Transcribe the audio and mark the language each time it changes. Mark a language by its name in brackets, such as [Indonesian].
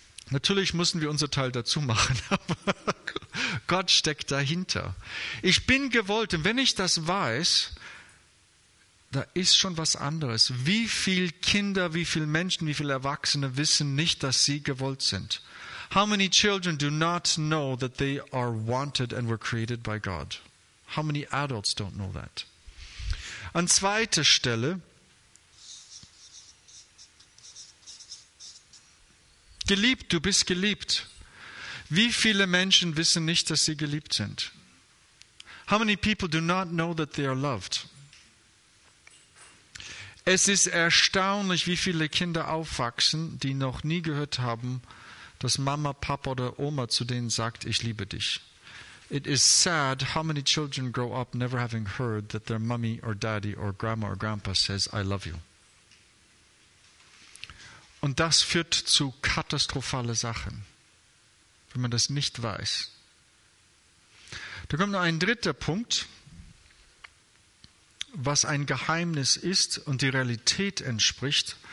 [German] Natürlich mussten wir unser Teil dazu machen, aber Gott steckt dahinter. Ich bin gewollt, und wenn ich das weiß, da ist schon was anderes. Wie viele Kinder, wie viele Menschen, wie viele Erwachsene wissen nicht, dass sie gewollt sind? [English] How many children do not know that they are wanted and were created by God? How many adults don't know that? [German] An zweiter Stelle, geliebt, du bist geliebt. Wie viele Menschen wissen nicht, dass sie geliebt sind? [English] How many people do not know that they are loved? [German] Es ist erstaunlich, wie viele Kinder aufwachsen, die noch nie gehört haben, dass Mama, Papa oder Oma zu denen sagt, ich liebe dich. [English] It is sad how many children grow up never having heard that their mommy or daddy or grandma or grandpa says, I love you. [German] Und das führt zu katastrophalen Sachen, wenn man das nicht weiß. Da kommt noch ein dritter Punkt, was ein Geheimnis ist und die Realität entspricht.